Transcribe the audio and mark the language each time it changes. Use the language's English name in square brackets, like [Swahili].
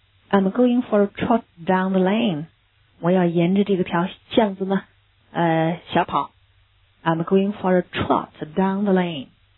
[English] I'm going for a trot down the lane. [Chinese] 我要沿着这个条巷子呢小跑。 [English] I'm going for a trot down the lane.